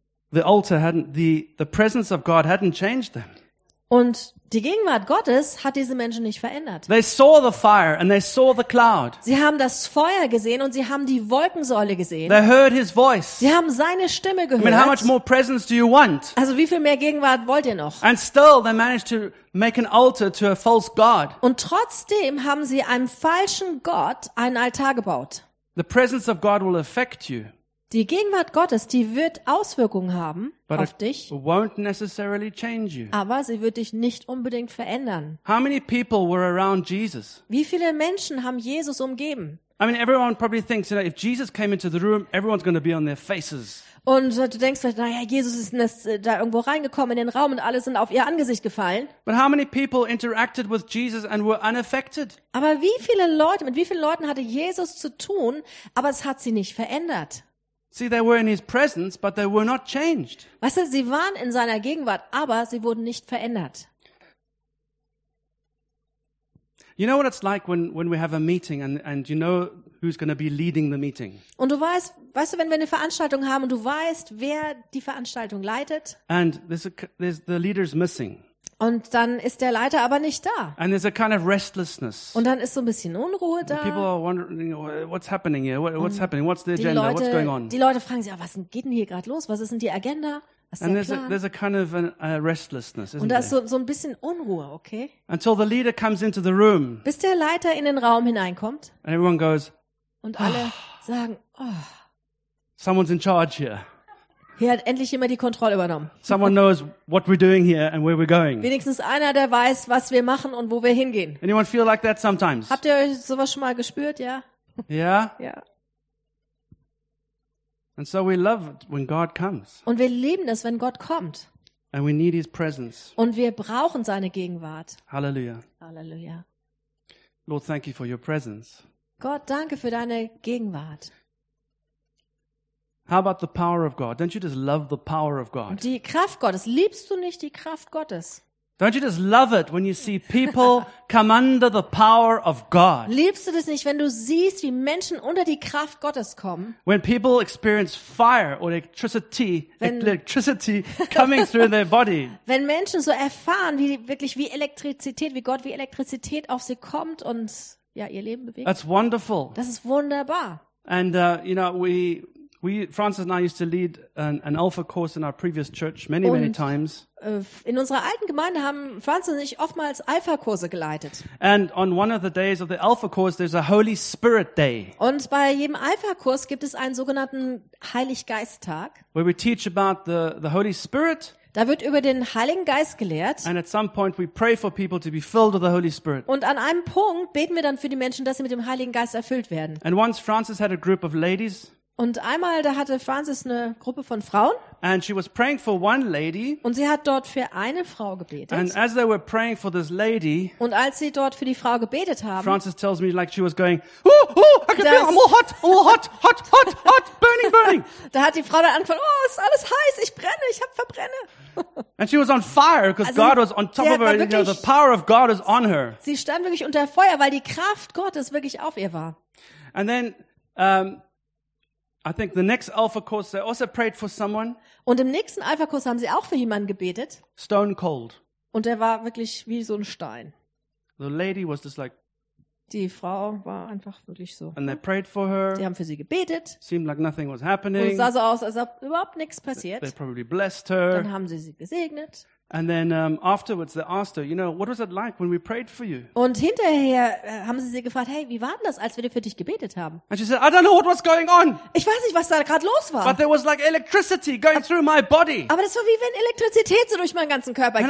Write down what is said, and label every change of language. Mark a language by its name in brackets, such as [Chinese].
[English] The altar hadn't, the presence of God hadn't changed them. [German] Und die Gegenwart Gottes hat diese Menschen nicht verändert. [English] They saw the fire and they saw the cloud. [German] Sie haben das Feuer gesehen und sie haben die Wolkensäule gesehen. [English] They heard his voice. [German] Sie haben seine Stimme gehört. [English] I mean, how much more presence do you want? [German] Also wie viel mehr Gegenwart wollt ihr noch? [English] And still they managed to make an altar to a false god. [German] Und trotzdem haben sie einem falschen Gott einen Altar gebaut. [English] The presence of God will affect you. [German] Die Gegenwart Gottes, die wird Auswirkungen haben [English] but [German] auf dich, [English] won't necessarily change you. [German] Aber sie wird dich nicht unbedingt verändern. [English] How many people were around Jesus? [German] Wie viele Menschen haben Jesus umgeben? [English] I mean, everyone probably thinks, you know, if Jesus came into the room, everyone's going to be on their faces. [German] Und du denkst vielleicht, naja, Jesus ist da irgendwo reingekommen in den Raum und alle sind auf ihr Angesicht gefallen. [English] But how many people interacted with Jesus and were unaffected? [German] Aber wie viele Leute, mit wie vielen Leuten hatte Jesus zu tun, aber es hat sie nicht verändert? [English] See, they were in his presence, but they were not changed. [German] Weißt du, sie waren in seiner Gegenwart, aber sie wurden nicht verändert. [English] You know what it's like when we have a meeting and you know who's going to be leading the meeting. [German] Und du weißt du, wenn wir eine Veranstaltung haben und du weißt, wer die Veranstaltung leitet. [English] And there's the leader's missing. [German] Und dann ist der Leiter aber nicht da. [English] And there's a kind of restlessness. [German] Und dann ist so ein bisschen Unruhe da. [English] People are wondering, what's happening here? What's happening? What's the agenda? What's going on? [German] Die Leute fragen sich, ja, was geht denn hier gerade los? Was ist denn die Agenda? [English] And there's a kind of a restlessness, isn't [German] it? Und da ist so ein bisschen Unruhe, okay? [English] Until the leader comes into the room. [German] Bis der Leiter in den Raum hineinkommt. [English] And everyone goes. [German] Und alle sagen, oh. [English] Someone's in charge here. [German] Hier hat endlich jemand die Kontrolle übernommen. [English] Someone knows what we're doing here and where we're going. [German] Wenigstens einer, der weiß, was wir machen und wo wir hingehen. [English] Anyone feel like that sometimes? [German] Habt ihr euch sowas schon mal gespürt, ja? Ja. Ja. [English] And so we love it when God comes. [German] Und wir lieben es, wenn Gott kommt. [English] And we need his presence. [German] Und wir brauchen seine Gegenwart. Halleluja. Halleluja. [English] Lord, thank you for your presence. [German] Gott, danke für deine Gegenwart. [English] How about the power of God? Don't you just love the power of God? [German] Die Kraft Gottes. Liebst du nicht die Kraft Gottes? [English] Don't you just love it when you see people come under the power of God? [German] Liebst du das nicht, wenn du siehst, wie Menschen unter die Kraft Gottes kommen? [English] When people experience fire or electricity coming through their body. [German] Wenn Menschen so erfahren, wie Elektrizität auf sie kommt und ja, ihr Leben bewegt. [English] That's wonderful. [German] Das ist wunderbar. [English] And you know, we Francis and I used to lead an Alpha course in our previous church many times. [German] In unserer alten Gemeinde haben Francis und ich oftmals Alpha Kurse geleitet. [English] And on one of the days of the Alpha course there's a Holy Spirit day. [German] Und bei jedem Alpha Kurs gibt es einen sogenannten Heiliggeisttag. [English] Where we teach about the Holy Spirit. [German] Da wird über den Heiligen Geist gelehrt. [English] And at some point we pray for people to be filled with the Holy Spirit. [German] Und an einem Punkt beten wir dann für die Menschen, dass sie mit dem Heiligen Geist erfüllt werden. [English] And once Francis had a group of ladies. [German] Und einmal, da hatte Frances eine Gruppe von Frauen. [English] And she was praying for one lady. [German] Und sie hat dort für eine Frau gebetet. [English] And as they were praying for this lady. [German] Und als sie dort für die Frau gebetet haben. [English] Frances tells me like she was going, oh, oh, I can feel it, I'm all hot, all hot, hot, hot, hot, burning, burning. [German] Da hat die Frau dann angefangen, oh, ist alles heiß, ich brenne, ich habe verbrenne. [English] And she was on fire because also, God was on top of her. [German] Wirklich, [English] you know, the power of God is on her. [German] Sie stand wirklich unter Feuer, weil die Kraft Gottes wirklich auf ihr war. [English] And then, I think the next Alpha course they also prayed for someone. [German] Und im nächsten Alpha Kurs haben sie auch für jemanden gebetet. [English] Stone cold. [German] Und er war wirklich wie so ein Stein. [English] The lady was just like. [German] Die Frau war einfach wirklich so. [English] And they prayed for her. [German] Sie haben für sie gebetet. [English] Seemed like nothing was happening. [German] Und sah so aus, als ob überhaupt nichts passiert. [English] They probably blessed her. [German] Dann haben sie sie gesegnet. [English] And then afterwards they asked her, you know, what was it like when we prayed for you? [German] Und hinterher haben sie gefragt, hey, wie war denn das, als wir für dich gebetet haben? [English] And she said, I don't know what was going on. [German] Ich weiß nicht, was da gerade los war. [English] But there was like electricity going through my body. [German] Aber das war wie wenn Elektrizität so durch meinen ganzen Körper geht.